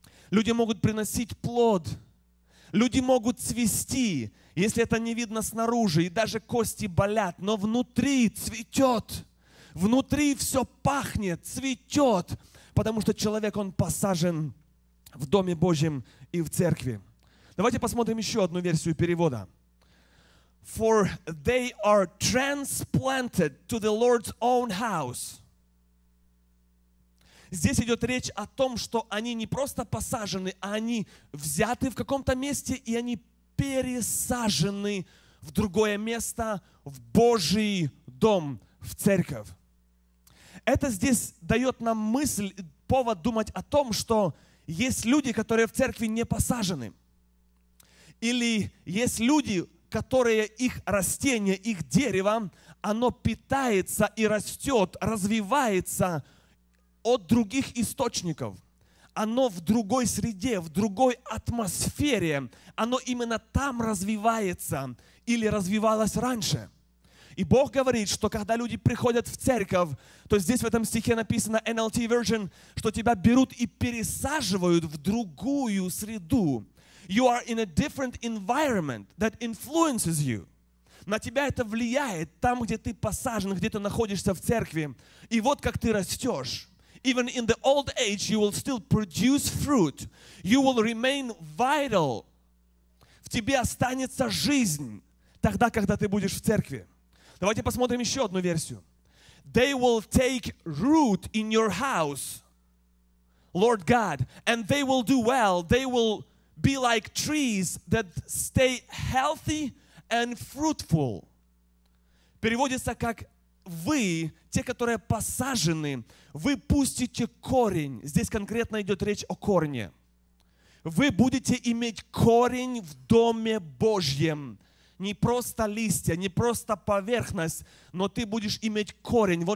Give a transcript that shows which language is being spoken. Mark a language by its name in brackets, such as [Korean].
[Russian] Люди могут приносить плод. Люди могут цвести, если это не видно снаружи, и даже кости болят, но внутри цветет. Внутри все пахнет, цветет, потому что человек, он посажен в Доме Божьем и в церкви. Давайте посмотрим еще одну версию перевода. [English] For they are transplanted to the Lord's own house. [Russian] Здесь идет речь о том, что они не просто посажены, а они взяты в каком-то месте, и они пересажены в другое место, в Божий дом, в церковь. Это здесь дает нам мысль, повод думать о том, что есть люди, которые в церкви не посажены. Или есть люди, которые их растение, их дерево, оно питается и растет, развивается от других источников, оно в другой среде, в другой атмосфере, оно именно там развивается или развивалось раньше. И Бог говорит, что когда люди приходят в церковь, то здесь в этом стихе написано NLT Version, что тебя берут и пересаживают в другую среду. [English] You are in a different environment that influences you. [Russian] На тебя это влияет там, где ты посажен, где ты находишься в церкви. И вот как ты растешь. [English] Even in the old age, you will still produce fruit. You will remain vital. [Russian] В тебе останется жизнь тогда, когда ты будешь в церкви. Давайте посмотрим еще одну версию. [English] They will take root in your house, Lord God, and they will do well. They will be like trees that stay healthy and fruitful. [Russian] Переводится как вы, те, которые посажены, вы пустите корень. Здесь конкретно идет речь о корне. Вы будете иметь корень в доме Божьем. Не просто листья, не просто поверхность, но ты будешь иметь корень.